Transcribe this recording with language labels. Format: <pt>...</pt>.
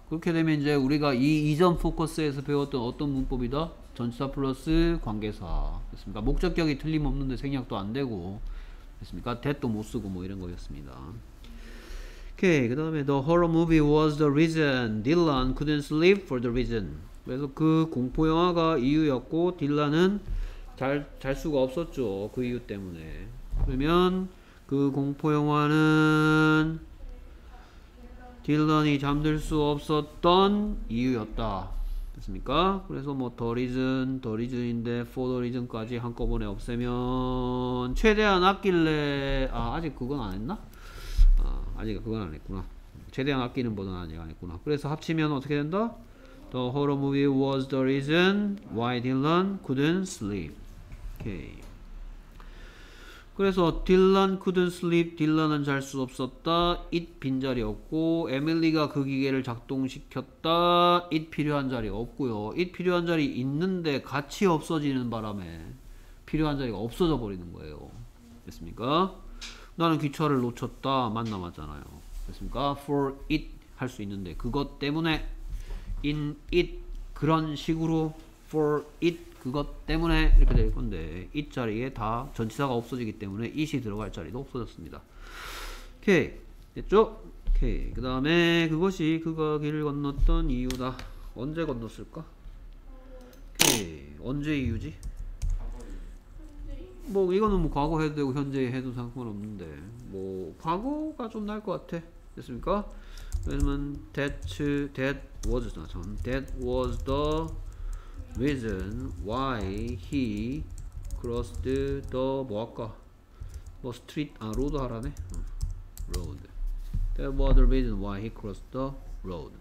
<ko>그렇게 되면 이제 우리가 이 이전 포커스에서 배웠던 어떤 문법이다? 전치사 플러스 관계사. 됐습니까? 목적격이 틀림없는데 생략도 안 되고. 됐습니까? that도 못 쓰고 뭐 이런 거였습니다. 오케이. 그 다음에</ko> <en>The horror movie was the reason Dylan couldn't sleep for the reason.</en> <ko>그래서 그 공포 영화가 이유였고 딜란은 잘 수가 없었죠. 그 이유 때문에. 그러면 그 공포 영화는 딜런이 잠들 수 없었던 이유였다. 됐습니까? 그래서 뭐 the reason, the reason인데 for the reason까지 한꺼번에 없애면 최대한 아낄래. 아 아직 그건 안 했나? 아 아직 그건 안 했구나. 최대한 아끼는 버전 아직 안 했구나. 그래서 합치면 어떻게 된다?</ko> <en>The horror movie was the reason why Dylan couldn't sleep. 오케이.</en> <ko>그래서 딜런</ko> <en>couldn't sleep.</en> <ko>딜런은 잘 수 없었다. It 빈자리 없고 에밀리가 그 기계를 작동시켰다. It 필요한 자리 없고요. It 필요한 자리 있는데 같이 없어지는 바람에 필요한 자리가 없어져 버리는 거예요. 됐습니까? 나는 기차를 놓쳤다. 만 남았잖아요. 됐습니까? For it 할 수 있는데 그것 때문에 in it 그런 식으로 for it 그것 때문에 이렇게 될 건데 이 자리에 다 전치사가 없어지기 때문에 it이 들어갈 자리도 없어졌습니다. 오케이 됐죠? 오케이 그 다음에 그것이 그가 길을 건넜던 이유다. 언제 건넜을까? 오케이 언제 이유지? 뭐 이거는 뭐 과거 해도 되고 현재 해도 상관없는데 뭐 과거가 좀 나을 것 같아. 됐습니까? 왜냐면</ko> <en>that was the reason why he crossed the</en> <ko>뭐 할까?</ko> <en>뭐 street 아 road</en> <ko>하라네.</ko> <en>Road. That was the reason why he crossed the road.</en>